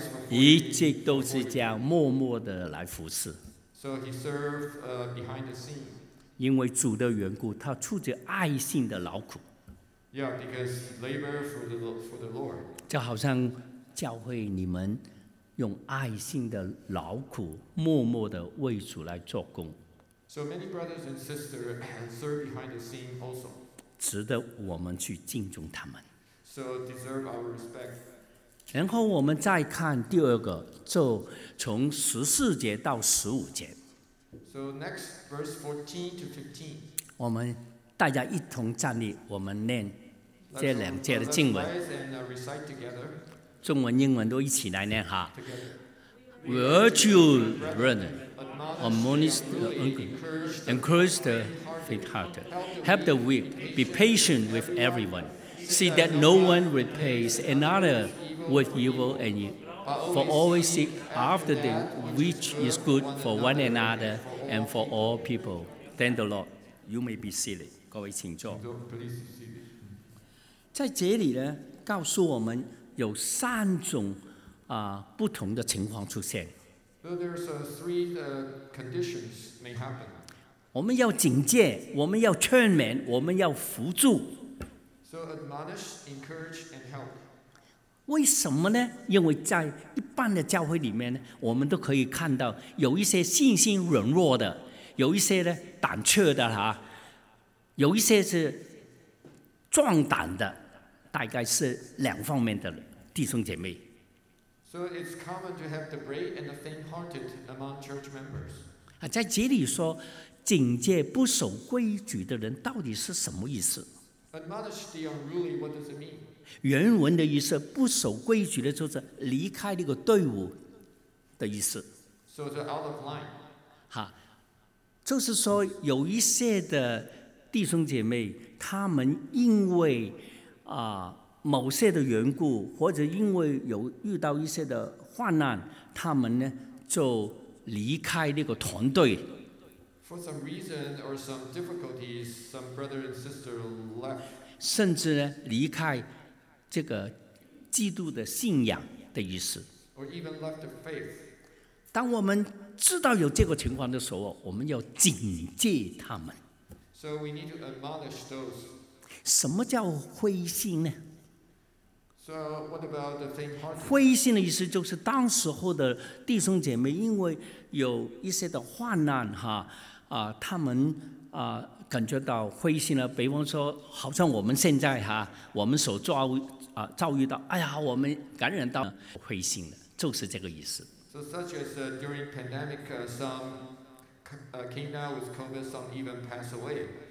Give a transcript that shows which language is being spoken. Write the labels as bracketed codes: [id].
[zh] 一切都是这样默默的来服侍。 [en] So he served, behind the scene. [zh] 因为主的缘故，他出着爱心的劳苦。 [en] Yeah, because labor for the Lord. [zh] 就好像教会你们用爱心的劳苦，默默的为主来做工。 [en] So many brothers and sisters serve behind the scene also. [zh] 值得我们去敬重他们。 [en] So deserve our respect. [zh] 然后我们再看第二个，就从十四节到十五节。 [en] So next verse 14 to 15. [zh] 我们大家一同站立，我们念这两节的经文。 [en] Let's rise and recite together. [zh] 中文、英文都一起来念哈。 [en] Virtue, brethren, admonish the ungodly, encourage the faint-hearted, help the weak, be patient with everyone, see that no one repays another with evil and evil, for always seek after that which is good for one another and for all people. Thank the Lord. You may be seated. [zh] 各位请坐。在这里呢，告诉我们有三种不同的情况出现。 [en] So there's three conditions may happen. [zh] 我们要警戒，我们要劝勉，我们要扶助。 [en] So admonish, encourage, and help. [zh] 为什么呢？因为在一般的教会里面呢，我们都可以看到有一些信心软弱的，有一些呢胆怯的哈，有一些是壮胆的，大概是两方面的弟兄姐妹。 [en] So it's common to have the brave and the faint-hearted among church members. [zh] 在这里说，警戒不守规矩的人到底是什么意思？ [en] Admonish the unruly, what does it mean? [zh] 原文的意思，不守规矩的就是离开那个队伍的意思。 [en] So it's out of line. [zh] 就是说有一些的弟兄姐妹，他们因为某些的缘故，或者因为有遇到一些的患难，他们呢就离开那个团队。 [en] For some reason or some difficulties, some brother and sister left. [zh] 甚至呢离开这个基督的信仰的意思。 [en] Or even left the faith. [zh] 当我们知道有这个情况的时候，我们要警戒他们。 [en] So we need to admonish those. [zh] 什么叫灰心呢？ [en] So what about the faint-hearted? [zh] 灰心的意思就是当时候的弟兄姐妹因为有一些的患难他们感觉到灰心了，比方说好像我们现在我们所遭遇到，哎呀，我们感染到灰心了，就是这个意思。 [en] So such as during pandemic some came down with COVID, some even passed away.